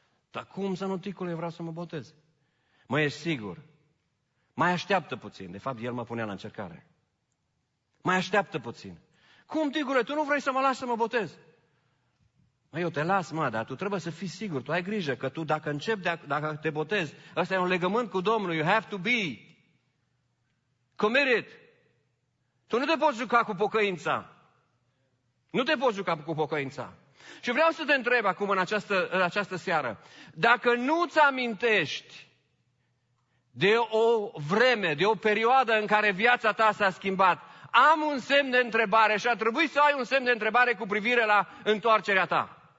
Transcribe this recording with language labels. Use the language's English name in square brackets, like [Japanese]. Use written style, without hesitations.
[Romanian] Dar cum să nu, ticule, vreau să mă botez? Măi, ești sigur? Mai așteaptă puțin. De fapt, el mă punea la încercare. Mai așteaptă puțin. Cum, ticule, tu nu vrei să mă lași să mă botez? Măi, eu te las, mă, dar tu trebuie să fii sigur. Tu ai grijă că tu, dacă începi, dacă te botezi, ăsta e un legământ cu Domnul. [English] You have to be committed. [Romanian] Tu nu te poți juca cu pocăința. Nu te poți juca cu pocăința. Și vreau să te întreb acum, în această seară, dacă nu ți-amintești de o vreme, de o perioadă în care viața ta s-a schimbat, am un semn de întrebare și ar trebui să ai un semn de întrebare cu privire la întoarcerea ta.